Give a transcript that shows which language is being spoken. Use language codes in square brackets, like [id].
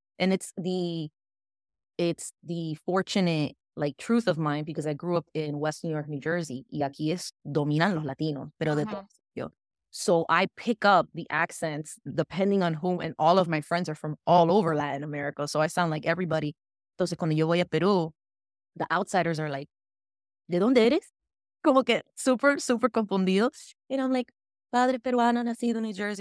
[en] And it's the fortunate, like, truth of mine because I grew up in West New York, New Jersey. [es] Y aquí es dominan los latinos, pero de todo. [en] So I pick up the accents depending on whom, and all of my friends are from all over Latin America. So I sound like everybody. [es] Entonces, cuando yo voy a Peru, [en] the outsiders are like, [es] ¿de dónde eres? Como que super, super confundido. [en] And I'm like, [es] padre peruano, nacido en New Jersey.